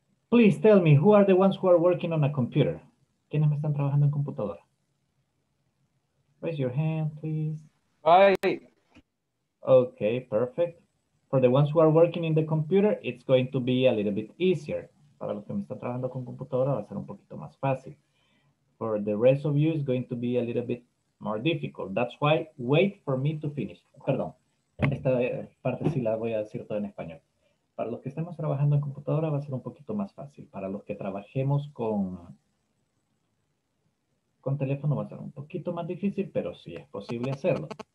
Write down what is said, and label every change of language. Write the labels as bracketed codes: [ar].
[en] Please tell me, who are the ones who are working on a computer? [es] ¿Quiénes me están trabajando en computadora? [en] Raise your hand, please. Hi. Okay, perfect. For the ones who are working in the computer, it's going to be a little bit easier. [es] Para los que me están trabajando con computadora, va a ser un poquito más fácil. [en] For the rest of you, it's going to be a little bit more difficult. That's why, wait for me to finish. [es] Perdón, esta parte sí la voy a decir todo en español. Para los que estemos trabajando en computadora, va a ser un poquito más fácil. Para los que trabajemos con teléfono, va a ser un poquito más difícil, pero sí es posible hacerlo.